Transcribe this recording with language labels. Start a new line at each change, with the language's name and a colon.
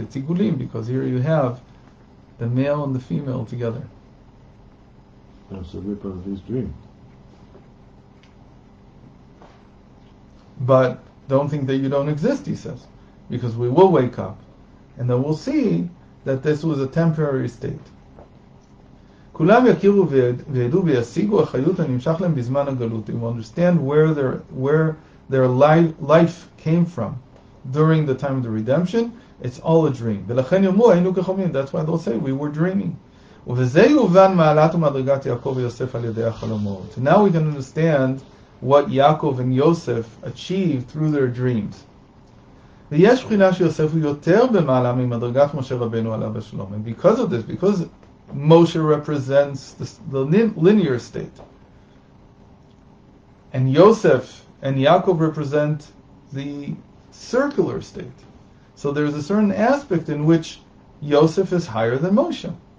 English: It's igulim, because here you have the male and the female together. And so we're part of his dream. But don't think that you don't exist, he says. Because we will wake up, and then we'll see that this was a temporary state.
Hebrew: כולם יכירו וידעו וישיגו החיות הנמשך להם בזמן הגלות.
English: They will understand where their life came from during the time of the redemption. It's all a dream.
Hebrew: ולכן יאמרו, היינו כחומים.
English: That's why they'll say, we were dreaming.
Hebrew: ובזה יובן מעלת ומדרגת יעקב ויוסף על ידי החלומות.
English: Now we can understand what Yaakov and Yosef achieved through their dreams.
Hebrew: ויש בחינה שיוסף הוא יותר במעלה ממדרגת משה רבנו עליו השלום.
English: And because of this, because Moshe represents the linear state, and Yosef and Yaakov represent the circular state. So there's a certain aspect in which Yosef is higher than Moshe.